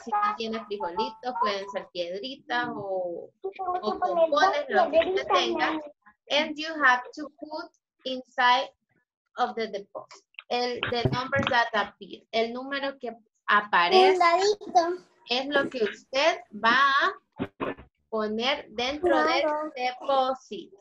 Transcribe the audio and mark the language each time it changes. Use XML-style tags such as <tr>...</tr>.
<es>Si no tiene frijolitos, pueden ser piedritas o pompones, lo que usted tenga.</es> <en>And you have to put inside of the deposit. The numbers that appear.</en> <es>El número que aparece es lo que usted va a poner dentro del deposit.</es>